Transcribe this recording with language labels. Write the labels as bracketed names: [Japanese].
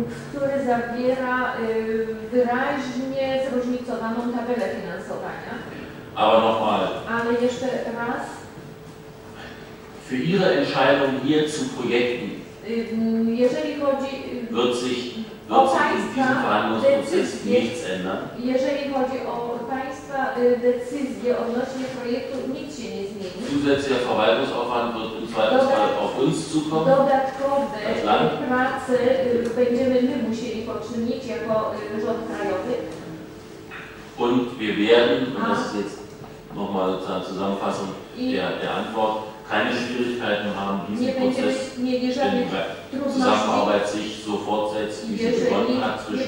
[Polish] Który zawiera wyraźnie zróżnicowaną tabelę finansowania. [German] Aber nochmal. [Polish] Ale jeszcze raz. [German] Für Ihre Entscheidung hier zu Projekten [Polish] jeżeli chodzi, [German] wird sich, [Polish] o państwa decyzję, jeżeli chodzi o państwa decyzję odnośnie projektu, nic się nie zmieni. [German] Zusätzlicher Verwaltungsaufwand wird im Zweifelsfall auf uns zukommen. [Polish] Dodatkowe prace będziemy my musieli poczynić jako rząd krajowy. [German] Und wir werden, und das ist jetzt nochmal sozusagen Zusammenfassung der Antwort, keine Schwierigkeiten haben, diesen Prozess in der Zusammenarbeit sich so fortsetzt, wie sie begonnen hat, zwischen